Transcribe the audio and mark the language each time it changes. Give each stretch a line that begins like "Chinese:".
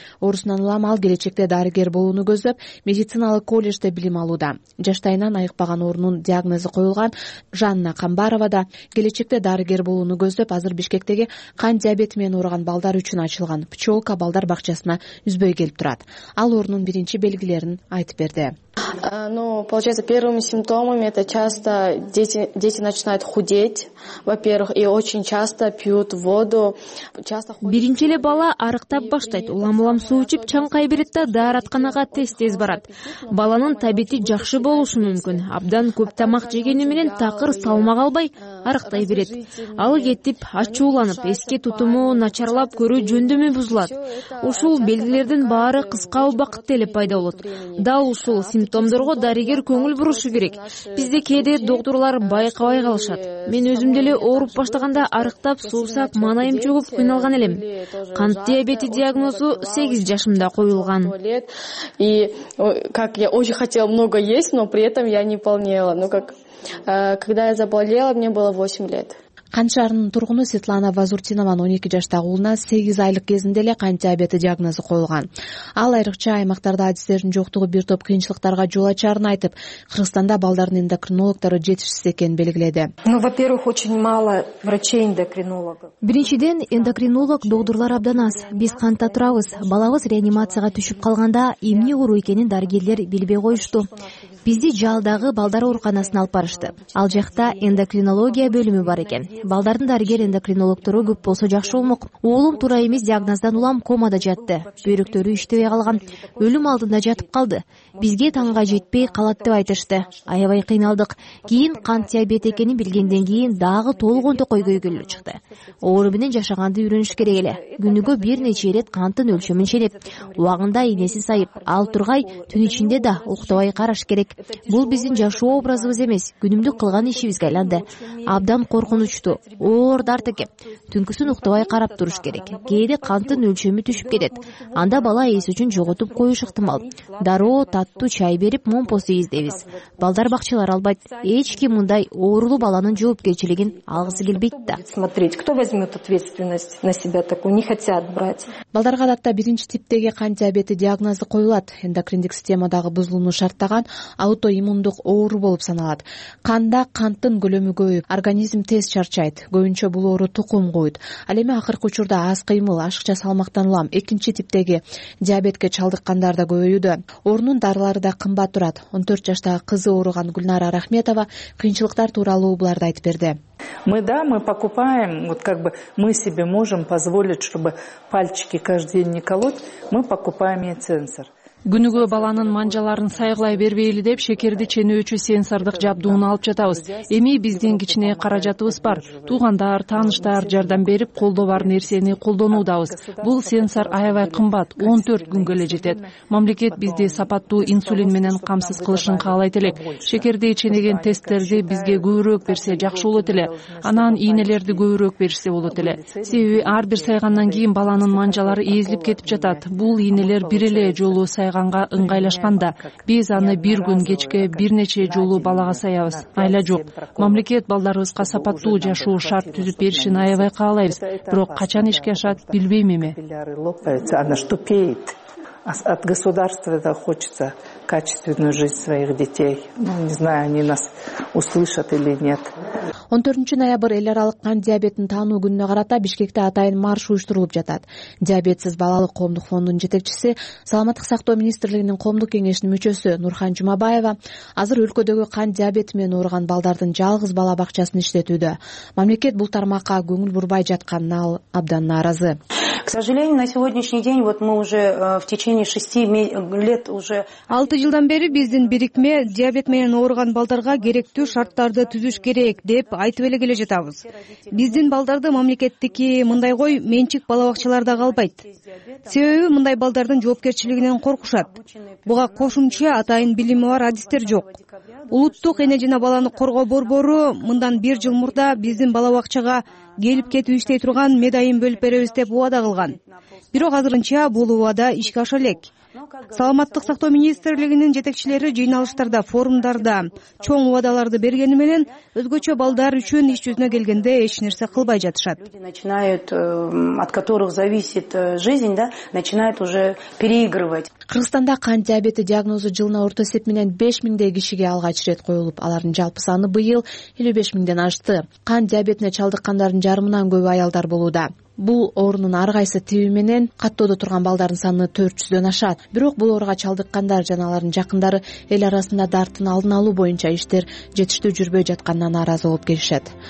Kyrgyz: Оорусунан улам ал келечекте дарыгер болууну көздөп, медициналык коллежде билим алууда. Жаштайынан айыкпаган оорунун диагнозу коюлган Жанна Камбарова да келечекте дарыгер болууну көздөп, азыр Бишкектеги кан диабети менен ооруган балдар үчүн ачылган Пчелка балдар бакчасына үзбөй келип турат. Ал оорунун биринчи белгилерин айтып берди.
Russian: Ну, получается, первыми симптомами это часто дети начинают худеть, во-первых, и очень часто пьют воду.
Kyrgyz: Биринчи эле бала арыктап баштайт, улам-улам суу ичип чаңкай берет да дааратканага тез-тез барат. Баланын табити жакшы болушу мүмкүн. Абдан көп тамак жегени менен такыр салмак албай, арыктай берет. Ал кетип, ачууланып, эске тутуму начарлап, көрүү жөндөмү бузулат. Ушул белгилердин баары кыска убакытта эле пайда болот. Дал ушул симптомдорго дарыгер көңүл бурушу керек. Бизде кээде доктурлар байкабай калышат. Мен өзүм деле ооруп баштаганда арыктап, суусап, маанайым чөгүп кыйналган элем. Кант диабети диагнозу 8 жашымда коюлган.
Russian: И как я очень хотел много есть, но при этом я не полнела. Ну как когда я заболела, мне было 8 лет.
Kyrgyz: Кант шаарынын тургуну Светлана Вазуртинованын 12 жаштагы улуна 8 айлык кезинде эле кант диабети диагнозу коюлган. Ал айрыкча аймактарда адистердин жоктугу бир топ кыйынчылыктарга жол ачарын айтып, Кыргызстанда балдардын эндокринологдору жетишсиз экенин белгиледи.
Russian: Ну, во-первых, очень мало врачей эндокринологов.
Kyrgyz: Биринчиден, эндокринолог доктурлар абдан аз. Биз кантта турабыз. Балабыз реанимацияга түшүп калганда эмне оору экенин дарыгерлер билбей коюшту. Бизди жаалдагы балдар ооруканасына алып барышты. Ал жакта эндокринология бөлүмү бар экен. Балдардын дарыгер эндокринологдору көп болсо жакшы болмок. Уулум туура эмес диагноздан улам комада жатты. Бүйрөктөрү иштебей калган, өлүм алдында жатып калды. Бизге таңга жетпей калат деп айтышты. Аябай кыйналдык. Кийин кант диабети экенин билгенден кийин дагы толгонтокой көйгөйлөр чыкты. Оору менен жашаганды үйрөнүш керек эле. Күнүгө бир нече ирет кантын өлчөмүн ченеп, убагында ийнесин сайып, ал тургай түн ичинде да уктабай караш керек. Бул биздин жашоо образыбыз эмес, күнүмдүк кылган ишибизге айланды. Абдан коркунучту, оор дарт экен. Түнкүсүн уктабай карап туруш керек. Кээде кантын өлчөмү түшүп кетет. Анда бала ээси үчүн жоготуп коюш ыктымал. Дароо таттуу чай берип момпосу издебиз. Балдар бакчалар албайт. Эч ким мындай оорулу баланын жоопкерчилигин алгысы келбейт да.
Russian: Смотреть, кто возьмет ответственность на себя такую, не хотят брать.
Kyrgyz: Балдарга адатта биринчи типтеги кант диабети диагнозу коюлат. Эндокриндик системадагы бузулууну шарттаган аутоиммундук оору болуп саналат. Канда канттын көлөмү көбөйүп, организм тез чарчайт. Көбүнчө бул оору тукум коюйт. Ал эми акыркы учурда аз кыймыл, ашыкча салмактанылам. Экинчи типтеги диабетке чалдыккандар да көбөйүүдө. Оорунун дарылары да кымбат турат. 14 жаштагы кызы ооруган Гүлнара Рахметова кыйынчылыктар тууралуу буларды айтып берди.
Russian: Мы да, мы покупаем, вот как бы мы себе можем позволить, чтобы пальчики каждый день не колоть, мы покупаем ей сенсор.
Kyrgyz: Күнүгө баланын манжаларын сайгылай бербейли деп шекерди ченөөчү сенсордук жабдууну алып жатабыз. Эми биздин кичине каражатыбыз бар. Туугандар, тааныштар жардам берип колдо бар нерсени колдонуудабыз. Бул сенсор аябай кымбат, 14 күнгө эле жетет. Мамлекет бизди сапаттуу инсулин менен камсыз кылышын каалайт элек. Шекерди ченеген тесттерди бизге көбүрөөк берсе жакшы болот эле. Анан ийнелерди көбүрөөк беришсе болот эле. Себеби ар бир сайгандан кийин баланын манжалары ээзилип кетип жатат. Бул ийнелер бир эле жолу сайганга ыңгайлашканда биз аны бир күн кечке бир нече жолу балага саябыз. Айла жок. Мамлекет балдарыбызга сапаттуу жашоо шарт түзүп беришин аябай каалайбыз. Бирок качан ишке ашат билбейм эми.
Russian: Она тупеет. От государства да хочется качественную жизнь своих детей. Ну, не знаю, они нас услышат или нет.
Kyrgyz: 14 ноябрь эл аралык кант диабетин таануу күнүнө карата Бишкекте атайын марш уюштурулуп жатат. Диабетсиз балалык коомдук фондунун жетекчиси, саламаттык сактоо министрлигинин коомдук кеңешинин мүчөсү Нурхан Жумабаева азыр өлкөдөгү кант диабети менен ооруган балдардын жалгыз бала бакчасын иштетүүдө. Мамлекет бул тармакка көңүл бурбай жатканына ал абдан нааразы.
Russian: К сожалению, на сегодняшний день вот мы уже в течение 6 лет уже
Kyrgyz: 6 жылдан бери биздин бирикме диабет менен ооруган балдарга керектүү шарттарды түзүш керек деп айтып эле келе жатабыз. Биздин балдарды мамлекеттики мындай кой менчик бала бакчаларда калбайт. Себеби мындай балдардын жоопкерчилигинен коркушат. Буга кошумча атайын билими бар адистер жок. Улуттук эне жана баланы коргоо борбору мындан 1 жыл мурда биздин бала бакчага келип кетип иштей турган медайын бөлүп беребиз деп убада кылган. Бирок азырынча бул убада ишке аша элек. Саламаттык сактоо министрлигинин жетекчилери жыйналыштарда, форумдарда чоң убадаларды бергени менен өзгөчө балдар үчүн иш жүзүнө келгенде эч нерсе кылбай жатышат.
Russian: Люди начинают, от которых зависит жизнь, да, начинают уже переигрывать.
Kyrgyz: Кыргызстанда кант диабети диагнозу жылына орто эсеп менен 5000 кишиге алгач ирет коюлуп, алардын жалпы саны быйыл 55000 ашты. Кант диабетине чалдыккандардын жарымынан көбү аялдар болууда. Бул оорунун ар кайсы тиби менен каттоодо турган балдардын саны 400 ашат. Бирок бул ооруга чалдыккандар жана алардын жакындары эл арасында дарттын алдын алуу боюнча иштер жетиштүү жүрбөй жатканына нааразы болуп келишет.